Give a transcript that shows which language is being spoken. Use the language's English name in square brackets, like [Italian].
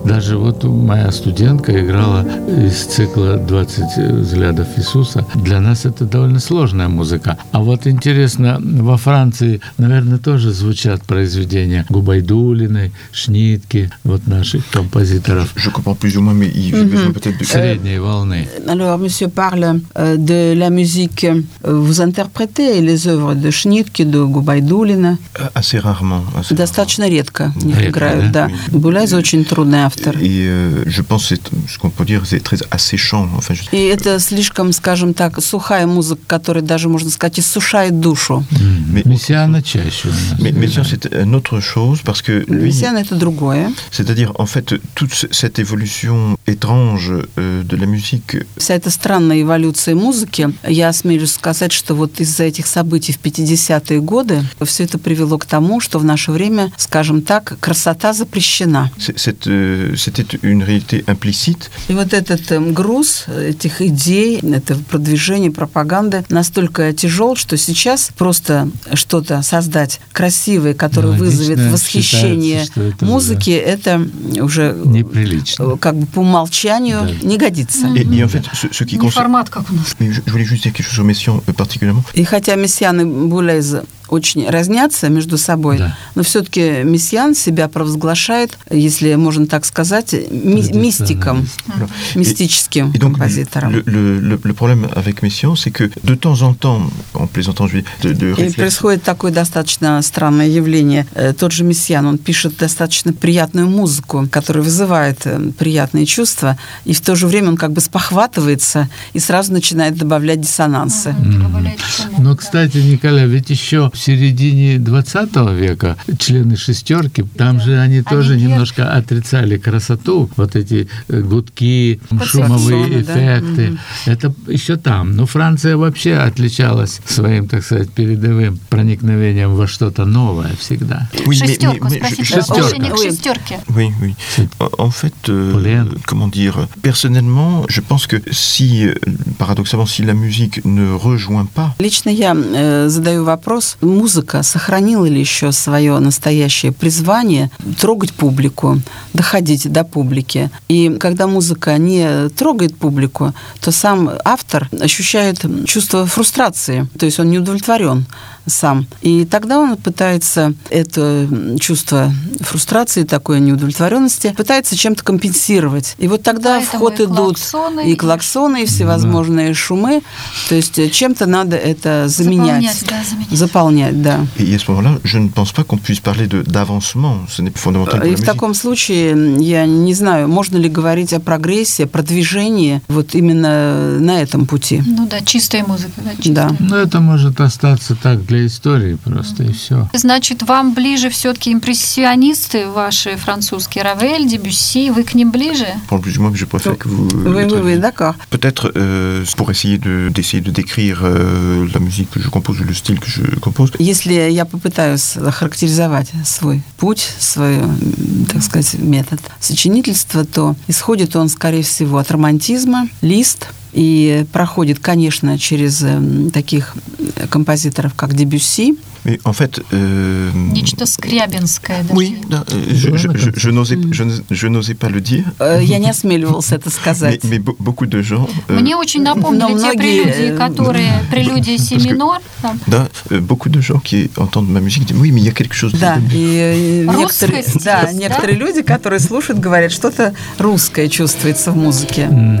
[Russian] Даже вот моя студентка играла из цикла «20 взглядов Иисуса». Для нас это довольно сложная музыка. А вот интересно, во Франции, наверное, тоже звучат произведения Губайдулиной, Шнитки, вот наших композиторов. Средней волны. [French] Alors, monsieur parle de la musique. Vous interprétez les œuvres de Шнитки, de Губайдулина? Assez rarement. [Russian] Достаточно редко играют, да. Булез очень трудный автор. И, [French] je pense, c'est ce qu'on peut dire, c'est très assez chant. [Russian] И это слишком, скажем так, сухая музыка, которая даже, можно сказать, иссушает душу. Мессиана чаще. [French] Мессиан, c'est une autre chose, parce que... [Russian] Мессиан, это другое. [French] C'est-à-dire, en fait, toute cette évolution étrange de la musique... [Russian] Вся эта странная эволюция музыки, я смею сказать, что вот из-за этих событий в 50-е годы все это привело к тому, что в наше время, скажем так, красота запрещена. [French] C'était une réalité implicite. [Russian] И вот этот груз этих идей, этого продвижения, пропаганды настолько тяжел, что сейчас просто что-то создать красивое, которое вызовет восхищение музыки, да. Это уже неприлично. Как бы по умолчанию да. Не годится. И, [French] en fait, ce qui [Russian] формат, как у нас. [French] Je voulais juste dire quelque chose au Messian particulièrement. [Russian] И хотя Мессиан и Булез очень разнятся между собой, да. Но все-таки Мессиан себя провозглашает, если можно так сказать, мистиком, мистическим композитором. [French] Le problème avec Messiaen, c'est que de temps en temps, en plaisantant, je veux dire, de réfléchir... [Russian] И происходит такое достаточно странное явление. Тот же Мессиан, он пишет достаточно приятную музыку, которая вызывает приятные чувства, и в то же время он как бы спохватывается и сразу начинает добавлять диссонансы. Но, кстати, Николай, ведь еще в середине 20 века члены шестерки, там же они тоже немножко отрицали красоту, вот эти гудки, шумовые эффекты. Это еще там. Но Франция вообще отличалась своим, так сказать, передовым проникновением во что-то новое всегда. Шестерка, спасибо. Шестерка. [French] En fait, comment dire, personnellement, je pense que si, paradoxalement, si la musique ne rejoint pas... [Russian] Лично я задаю вопрос... Музыка сохранила ли еще свое настоящее призвание трогать публику, доходить до публики? И когда музыка не трогает публику, то сам автор ощущает чувство фрустрации, то есть он не удовлетворен сам. И тогда он пытается это чувство фрустрации, такой неудовлетворенности, пытается чем-то компенсировать. И вот тогда в ход идут и клаксоны, и всевозможные шумы. То есть чем-то надо это заменять. Заполнять, да. И в этот момент я не думаю, что мы можем говорить о давансмене. Это не фундаментально. И в таком случае я не знаю, можно ли говорить о прогрессе, продвижении вот именно на этом пути. Ну да, чистая музыка. Да, чистая. Да. Но это может остаться так для истории просто, и все. Значит, вам ближе все-таки импрессионисты ваши французские, Равель, Дебюсси, вы к ним ближе? [French] Je préfère que vous... Oui, d'accord. Peut-être pour essayer de décrire la musique que je compose, le style que je compose. [Russian] Если я попытаюсь характеризовать свой путь, свой, так сказать, метод сочинительства, то исходит он, скорее всего, от романтизма, Лист, и проходит, конечно, через таких композиторов, как Дебюсси. [French] En fait, [Russian] Нечто скрябинское. Да? [French] Oui, [Russian] да. [French] Je n'osais pas le dire. [Russian] Я не осмеливался это сказать. [French] Mais beaucoup de gens, [Russian] мне очень напомнили те прелюдии, которые... прелюдии си минор. Да, [French] beaucoup de gens qui entendent ma musique disent, oui, mais il y a quelque chose... [Russian] Да, и некоторые люди, которые слушают, говорят, что-то русское чувствуется в музыке.